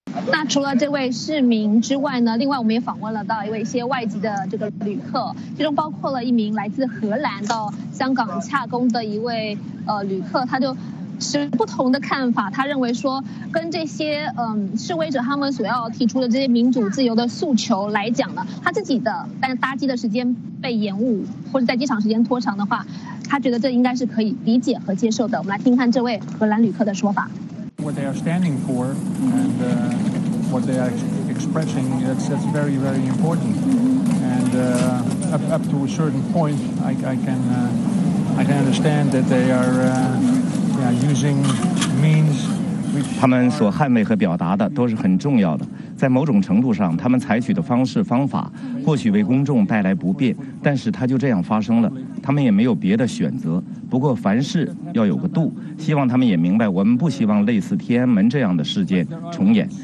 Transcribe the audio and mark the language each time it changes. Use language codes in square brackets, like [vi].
[zh] 那除了这位市民之外呢，另外我们也访问了到一位一些外籍的这个旅客，其中包括了一名来自荷兰到香港洽工的一位旅客，他就持不同的看法。他认为说跟这些示威者他们所要提出的这些民主自由的诉求来讲呢，他自己的但搭机的时间被延误或者在机场时间拖长的话，他觉得这应该是可以理解和接受的。我们来听看这位荷兰旅客的说法。 [en] What they are standing for and what they are expressing, that's very, very important. And up to a certain point, I can understand that they are using means which... [zh] 他们所捍卫和表达的都是很重要的。在某种程度上，他们采取的方式方法或许为公众带来不便，但是它就这样发生了，他们也没有别的选择。不过凡事要有个度，希望他们也明白，我们不希望类似天安门这样的事件重演。